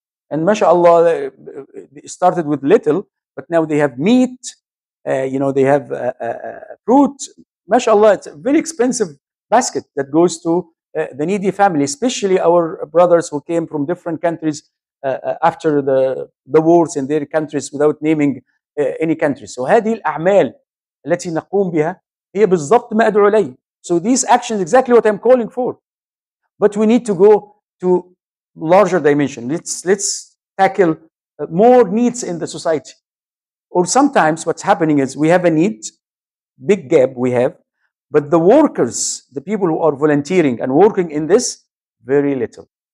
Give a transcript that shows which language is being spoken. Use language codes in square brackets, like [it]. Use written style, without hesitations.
[en] And mashallah, they started with little, but now they have meat, you know, they have fruit. Mashallah, it's a very expensive basket that goes to the needy family, especially our brothers who came from different countries after the wars in their countries without naming any countries. [ar] So هذه الأعمال التي نقوم بها هي بالضبط ما أدعو لي. [en] So these actions exactly what I'm calling for. But we need to go to larger dimension. Let's tackle more needs in the society. Or sometimes what's happening is we have a need, big gap we have, but the workers, the people who are volunteering and working in this, very little.